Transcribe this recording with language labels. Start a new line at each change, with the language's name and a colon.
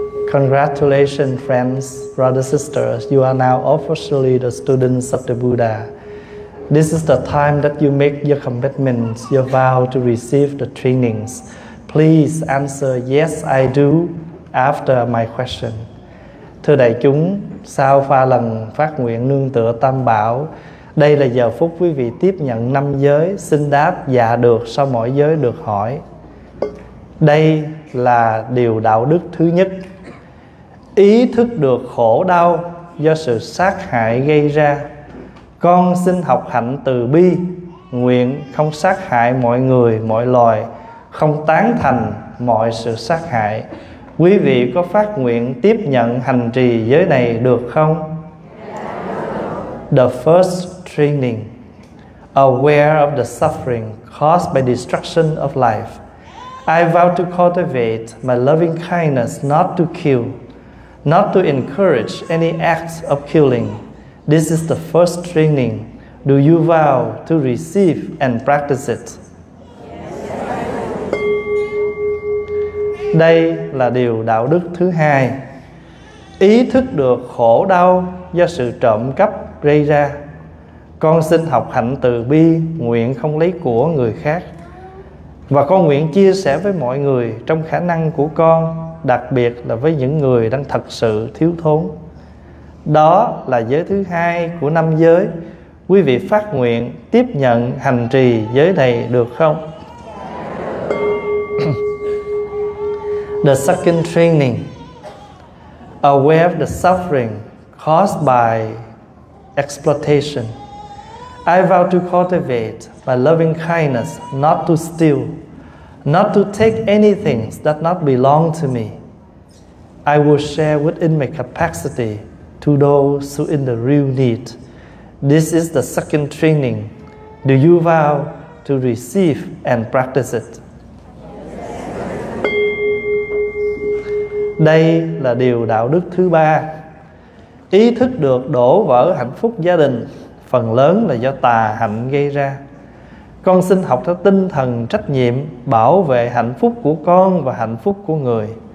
English: Congratulations, friends, brothers, sisters. You are now officially the students of the Buddha. This is the time that you make your commitments, your vow to receive the trainings. Please answer yes I do after my question.
Vietnamese: Thưa đại chúng, sau pha lần phát nguyện nương tựa Tam Bảo, đây là giờ phút quý vị tiếp nhận năm giới, xin đáp dạ được sau mỗi giới được hỏi. Đây là điều đạo đức thứ nhất. Ý thức được khổ đau do sự sát hại gây ra, con xin học hạnh từ bi, nguyện không sát hại mọi người, mọi loài, không tán thành mọi sự sát hại. Quý vị có phát nguyện tiếp nhận hành trì giới này được không?
English: The first training, aware of the suffering caused by destruction of life, I vow to cultivate my loving kindness, not to kill, not to encourage any acts of killing. This is the first training. Do you vow to receive and practice it?
Vietnamese: đây là điều đạo đức thứ hai. Ý thức được khổ đau do sự trộm cắp gây ra, con xin học hạnh từ bi, nguyện không lấy của người khác. Và con nguyện chia sẻ với mọi người trong khả năng của con, đặc biệt là với những người đang thật sự thiếu thốn. Đó là giới thứ hai của năm giới. Quý vị phát nguyện tiếp nhận hành trì giới này được không?
English: The second training: aware of the suffering caused by exploitation, I vow to cultivate my loving kindness, not to steal, not to take anything that not belong to me. I will share within my capacity to those who in the real need. This is the second training. Do you vow to receive and practice it?
Vietnamese: Đây là điều đạo đức thứ ba. Ý thức được đổ vỡ hạnh phúc gia đình phần lớn là do tà hạnh gây ra. Con xin học theo tinh thần trách nhiệm bảo vệ hạnh phúc của con và hạnh phúc của người.